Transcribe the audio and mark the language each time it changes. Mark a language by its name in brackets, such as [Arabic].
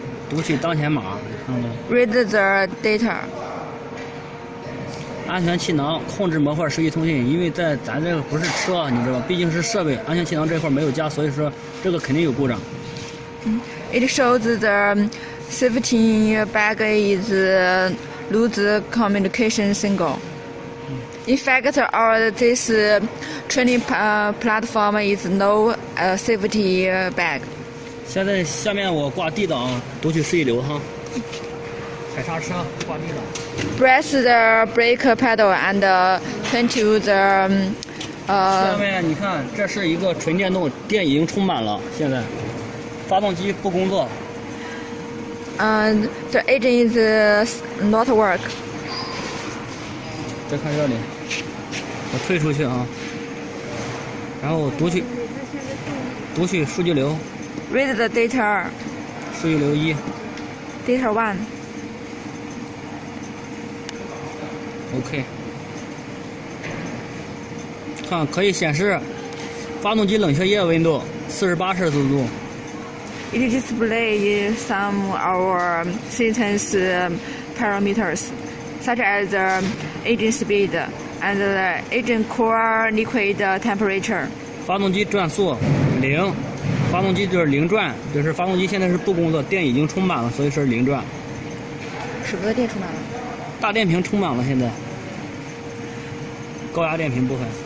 [Chinese] 读取当前码，看到吗 [English] ？Read the data. [Chinese] 安全气囊控制模块收集通信，因为在咱这个不是车，你知道吧？毕竟是设备，安全气囊这块没有加，所以说这个肯定有故障。 [English] It shows the safety bag is lose communication signal. In fact, our this training platform is no safety bag. [Chinese] 现在下面我挂 D 档读取示意流哈，踩刹车挂 D 档。 [English] Press the brake pedal and turn to the. [Chinese] 下面你看，这是一个纯电动，电已经充满了，现在。发动机不工作。 [English] The engine is not work. [Chinese] 再看这里，我退出去啊。然后读取数据流。 [English] read the data. [Chinese] 数据流一。 [English] Data one. OK. [Chinese] 看，可以显示发动机冷却液温度48摄氏度。 [English] It displays some our systems parameters, such as the engine speed and the engine core liquid temperature. [Chinese] 发动机转速零。发动机就是零转，就是发动机现在是不工作，电已经充满了，所以是零转。什么电充满了？大电瓶充满了，现在高压电瓶部分。